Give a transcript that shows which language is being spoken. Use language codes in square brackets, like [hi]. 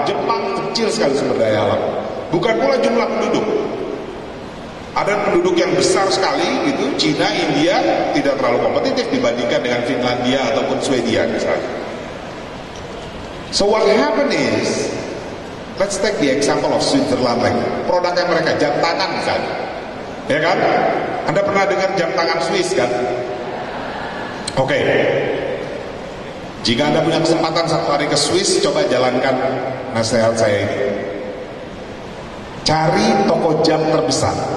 [id] Jepang kecil sekali sumber daya alam. Bukan pula jumlah penduduk. Ada penduduk yang besar sekali, itu Cina, India tidak terlalu kompetitif dibandingkan dengan Finlandia ataupun Swedia misalnya. [en] So what happened is, let's take the example of Switzerland [id] lagi. Produknya mereka jam tangan misalnya, ya kan? Anda pernah dengar jam tangan Swiss kan? Oke. Jika Anda punya kesempatan satu hari ke Swiss, coba jalankan nasihat saya ini. Cari toko jam terbesar.